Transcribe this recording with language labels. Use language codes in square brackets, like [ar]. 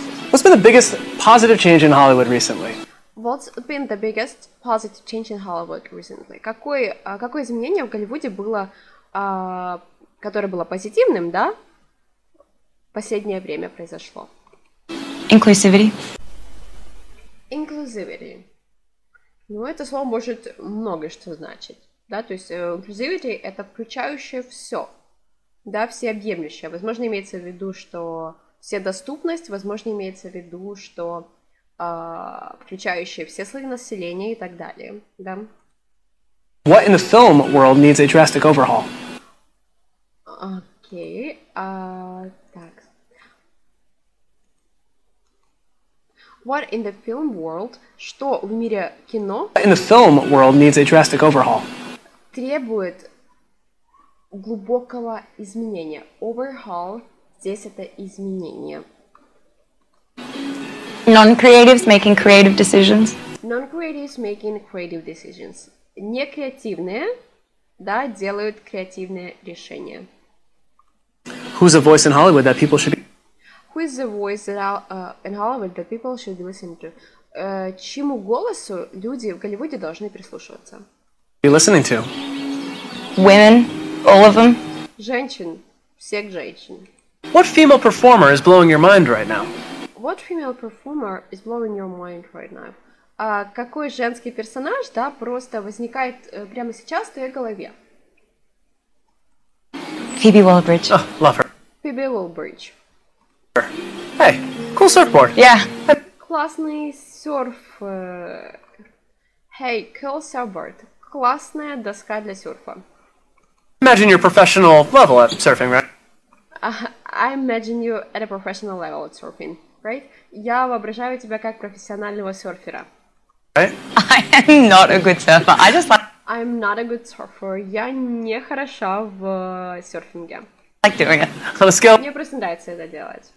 [en] What's been the biggest positive change in Hollywood recently? What's been the biggest positive change in Hollywood recently? [ru] Какое изменение в Голливуде было, которое было позитивным, да? Последнее время произошло. [en] Inclusivity. Inclusivity. [ru] Ну, это слово может много что значить, да? То есть inclusivity – это включающее все. Да, всеобъемлющее. Возможно, имеется в виду, что вседоступность, возможно, имеется в виду, что включающее все слои населения и так далее. Да? [en] What in the film world needs a drastic overhaul? [ru] Окей, так. [en] What in the film world, [ru] что в мире кино? [en] What in the film world needs a drastic overhaul? [ru] Требует глубокого изменения. Overhaul здесь это изменение. [en] Non-creatives making creative decisions. Non-creatives making creative decisions. [ru] Не креативные, да, делают креативные решения. [en] Who's a voice in Hollywood that people should be? Who is the voice in Hollywood that people should listen to? [ru] Чему голосу люди в Голливуде должны прислушиваться? [en] Be listening to. Women. All of them. [ru] Женщин. Всех женщин. [en] What female performer is blowing your mind right now? What female performer is blowing your mind right now? [ru] Какой женский персонаж, да, просто возникает прямо сейчас в твоей голове? [en] Phoebe Waller-Bridge. Oh, love her. Phoebe Waller-Bridge. Hey, cool surfboard. Yeah. [ru] Классный серф. [en] Hey, cool surfboard. [ru] Классная доска для серфа. [en] Imagine your professional level at surfing, right? I imagine you at a professional level at surfing, right? [ru] Я воображаю тебя как профессионального серфера. [en] I'm not a good surfer. [ru] Я не хороша в серфинге. [en] Like doing it. On a scale. [ru] Мне просто нравится это делать.